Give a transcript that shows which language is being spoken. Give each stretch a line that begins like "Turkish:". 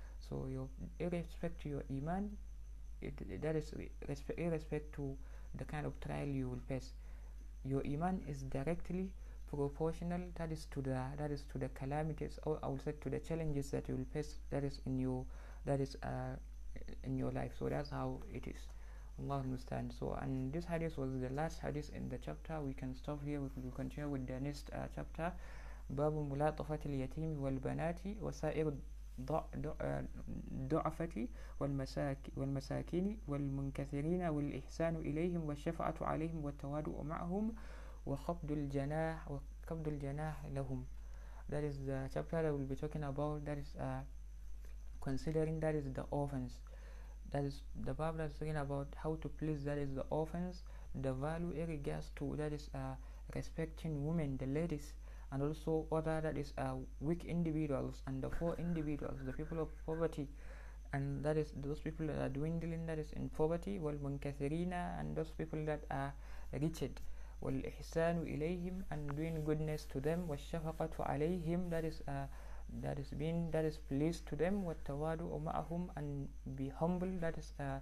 English: So irrespect to the kind of trial you will face, your iman is directly proportional to the calamities, or I would say to the challenges that you will face in your life. So that's how it is. Allah understand. So, and this hadith was the last hadith in the chapter. We can stop here. We will continue with the next chapter.
Arabic: باب ملاطفة اليتيم والبنات وسائر الضعفة والمساكين والمنكثرين والإحسان إليهم والشفعة عليهم والتواضع معهم وخفض الجناح لهم.
English: That is the chapter that we'll be talking about. That is considering that is the orphans. That is the Bible that's talking about how to please that is the orphans, the value in regards to that is respecting women, the ladies, and also other that is weak individuals and the poor individuals, the people of poverty, and that is those people that are dwindling, that is in poverty,
Arabic: wal munkathirina,
English: and those people that are wretched,
Arabic: wal ihsanu ilayhim,
English: and doing goodness to them,
Arabic: wa shafaqatu alayhim,
English: that is pleased to them,
Arabic: wa tawadu ma'ahum,
English: and be humble, that is